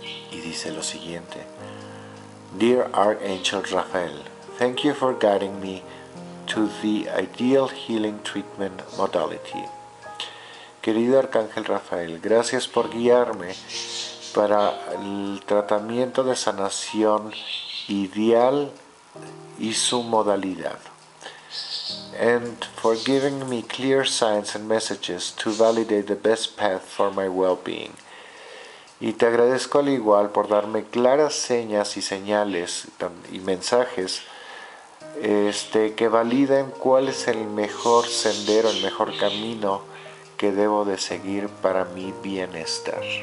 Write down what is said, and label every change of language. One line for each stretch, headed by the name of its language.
Spanish: Y dice lo siguiente:
English: dear Archangel Rafael, thank you for guiding me to the ideal healing treatment modality.
Spanish: Querido Arcángel Rafael, gracias por guiarme para el tratamiento de sanación ideal y su modalidad.
English: And for giving me clear signs and messages to validate the best path for my well-being.
Spanish: Y te agradezco al igual por darme claras señas y señales y mensajes que validen cuál es el mejor sendero, el mejor camino que debo de seguir para mi bienestar.